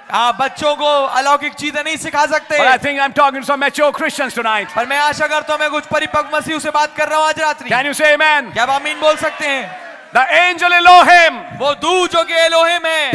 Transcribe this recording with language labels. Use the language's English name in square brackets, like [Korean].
[Hindi] आप बच्चों को अलौकिक चीजें नहीं सिखा सकते. [English] But I think I'm talking to some mature Christians tonight. [Hindi] पर मैं आशा करता हूँ मैं कुछ परिपक्व मसीहों से बात कर रहा हूँ आज रात्रि. [English] Can you say amen? [Hindi] क्या आप आमीन बोल सकते हैं? [English] The angel Elohim. [Hindi] वो दूत जो कि Elohim है.